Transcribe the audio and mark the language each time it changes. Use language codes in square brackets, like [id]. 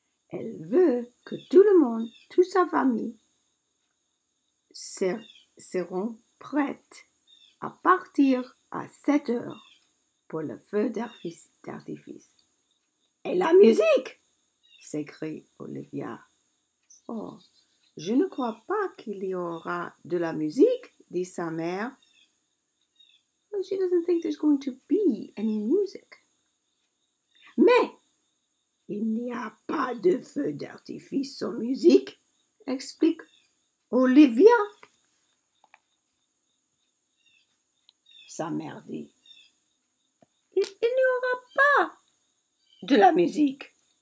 [fr] Elle veut que tout le monde, toute sa famille, seront prêtes à partir à 7 heures pour le feu d'artifice. Et la musique, s'écrie Olivia. Oh, je ne crois pas qu'il y aura de la musique, dit sa mère. [en] But she doesn't think there's going to be any music. [fr] Mais il n'y a pas de feu d'artifice sans musique, explique Olivia. Sa mère dit, il n'y aura pas de la musique.